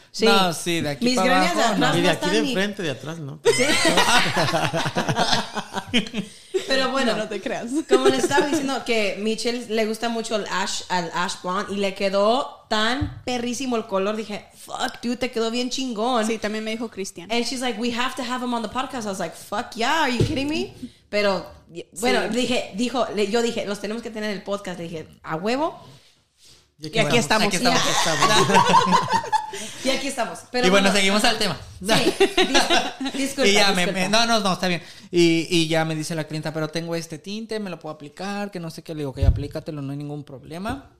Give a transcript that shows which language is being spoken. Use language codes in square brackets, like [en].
[es] Sí. No, sí, de aquí mis para abajo. Mis greñas de atrás no. Y de aquí de enfrente, de atrás, ¿no? Sí. Pero bueno, no te creas. Como les estaba diciendo, que Michelle le gusta mucho el ash blonde y le quedó tan perrísimo el color. Dije, [en] fuck, dude, [es] te quedó bien chingón. Sí, también me dijo Cristian. [en] And she's like, we have to have him on the podcast. I was like, fuck yeah, are you kidding me? [es] Pero, bueno, sí. dije, los tenemos que tener en el podcast. Le dije, a huevo. Y aquí estamos. Aquí estamos. Y aquí estamos. Y aquí estamos. Pero y bueno, seguimos al tema. Sí. Disculpa. Y ya está bien. Y ya me dice la clienta, pero tengo este tinte, me lo puedo aplicar, que no sé qué. Le digo, ok, aplícatelo, no hay ningún problema.